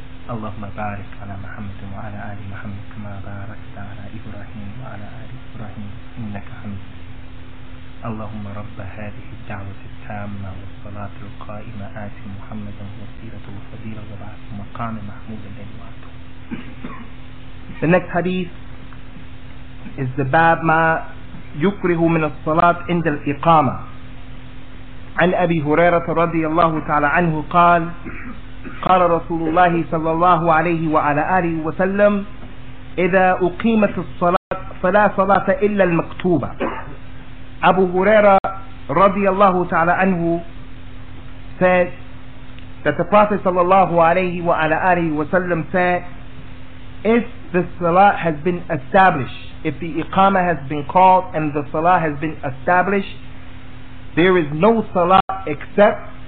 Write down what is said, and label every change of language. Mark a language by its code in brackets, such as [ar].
[ar] اللهم بارك على محمد وعلى آل محمد كما باركت على إبراهيم وعلى آل إبراهيم إنك حميد مجيد. اللهم رب هذه الدعوة التامة والصلاة القائمة آت محمدا وسيلة وفضيلة وبعث مقام محمود الذي وعدته. [en] The next hadith is the bab [ar] ما يكره من الصلاة عند الإقامة. عن أبي هريرة رضي الله تعالى عنه قال قال رسول الله صلى الله عليه وعلى آله وسلم إذا أقيمت الصلاة فلا صلاة إلا المكتوبة. أبو هريرة رضي الله تعالى عنه [en] said that the Prophet [ar] صلى الله عليه وعلى آله وسلم [en] said, if the salah has been established, if the iqama has been called and the salah has been established, there is no salah except